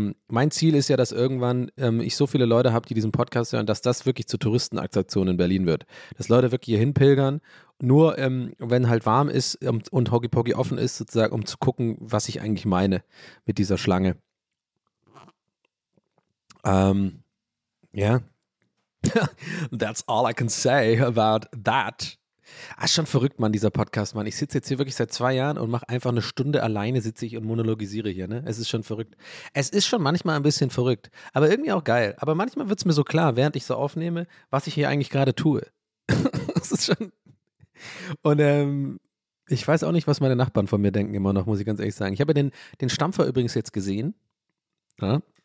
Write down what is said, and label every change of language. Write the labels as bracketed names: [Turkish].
[German] Mein Ziel ist ja, dass irgendwann ich so viele Leute habe, die diesen Podcast hören, dass das wirklich zur Touristenattraktion in Berlin wird. Dass Leute wirklich hier hinpilgern. Nur wenn halt warm ist und Hokey Pokey offen ist, sozusagen, um zu gucken, was ich eigentlich meine mit dieser Schlange. [English] That's all I can say about that. [German] Ah, ist schon verrückt, Mann, dieser Podcast, Mann. Ich sitze jetzt hier wirklich seit 2 Jahren und mache einfach eine Stunde alleine, sitze ich und monologisiere hier, ne? Es ist schon verrückt. Es ist schon manchmal ein bisschen verrückt, aber irgendwie auch geil. Aber manchmal wird es mir so klar, während ich so aufnehme, was ich hier eigentlich gerade tue. Das ist schon. Und ich weiß auch nicht, was meine Nachbarn von mir denken immer noch, muss ich ganz ehrlich sagen. Ich habe den Stampfer übrigens jetzt gesehen. Ja?